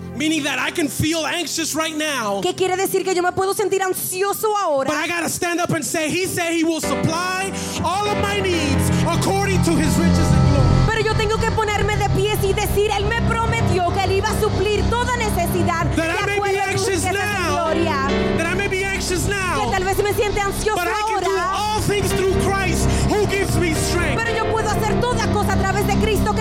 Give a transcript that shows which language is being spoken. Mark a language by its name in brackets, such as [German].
[English] Meaning that I can feel anxious right now. [Spanish] ¿Qué quiere decir que yo me puedo sentir ansioso ahora? [English] But I gotta stand up and say, He said He will supply all of my needs according to His riches and glory. [Spanish] Pero yo tengo que ponerme de pie y decir, Él me prometió que Él iba a suplir toda necesidad. [English] That I may be anxious now. That I may be anxious now. [Spanish] Que tal vez me siente ansioso [English] but [Spanish] ahora. [English] But I can do all things through Christ who gives me strength. [Spanish] Pero yo puedo hacer toda cosa a través de Cristo que